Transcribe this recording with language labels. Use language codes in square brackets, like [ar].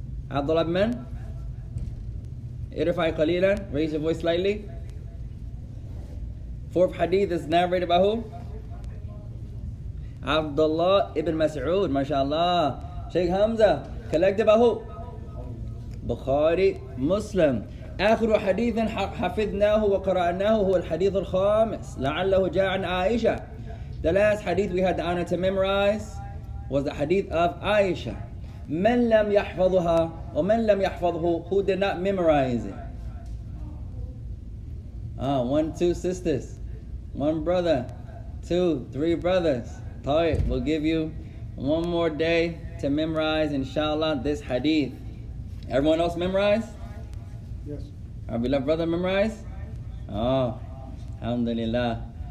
[en] Abdullah ibn Man? [ar] Irfa'i qaleelan, [en] raise your voice slightly. Fourth hadith is narrated by who? Abdullah ibn Mas'ud, mashallah. Shaykh Hamza, collected by who? Bukhari, Muslim. [ar] آخر حديث حفظناه وقرأناه هو الحديث الخامس لعله جاء عن عائشة. [en] The last hadith we had the honor to memorize was the hadith of Aisha. [ar] من لم يحفظها ومن لم يحفظه, [en] who did not memorize it? One, two sisters, one brother, two, three brothers. طيب, we'll give you one more day to memorize, inshallah, this hadith. Everyone else memorize? Yes. Our beloved brother memorize? Oh, alhamdulillah.